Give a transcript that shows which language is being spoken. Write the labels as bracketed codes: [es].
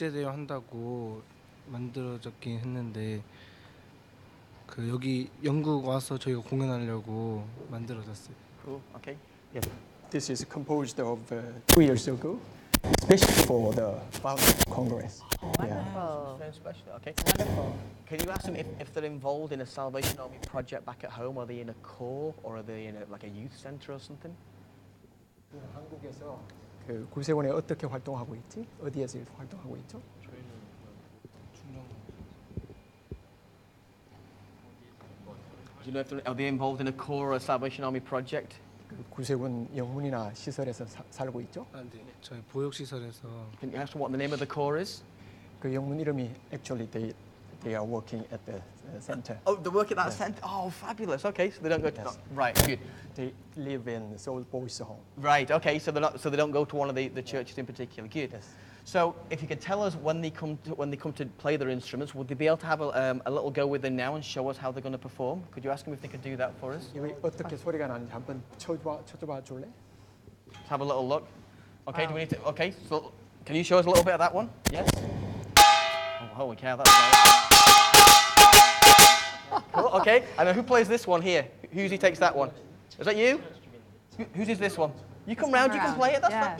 [en] Okay. Yeah. This is composed of 2 years ago. especially for the Boundless Congress. Wonderful. Yeah. Wonderful. Can you ask them if they're involved in a Salvation Army project back at home? Are they in a corps or are they in a youth center or something? [ko] 한국에서 그 구세원에 어떻게 활동하고 있지? 어디에서 활동하고 있죠? 중앙. [en] Do you know if they're, are they involved in a corps or a Salvation Army project? [ko] 구세군 영문이나 시설에서 살고 있죠? 네, 저희 보육 시설에서. [en] Can you ask what the name of the corps is? [ko] 그 영문 이름이 [en] actually they are working at the center. Oh, they work at that center. Oh, fabulous. Okay, so they don't go to right. Good. They live in Seoul Boys' Home. Right. Okay, so they're not. So they don't go to one of the churches in particular. Good. Yes. So if you could tell us when they come to play their instruments, would they be able to have a little go with them now and show us how they're going to perform? Could you ask them if they could do that for us? [ko] 어떻게 소리가 나는지 한번 쳐줘봐 줄래? [en] Let's have a little look. Okay, do we need to? Okay, so can you show us a little bit of that one? Yes. Oh, holy cow, that's great. Cool. Okay, and who plays this one here? Who takes that one? Is that you? Whose is this one? You come round, you can play it. That's fine.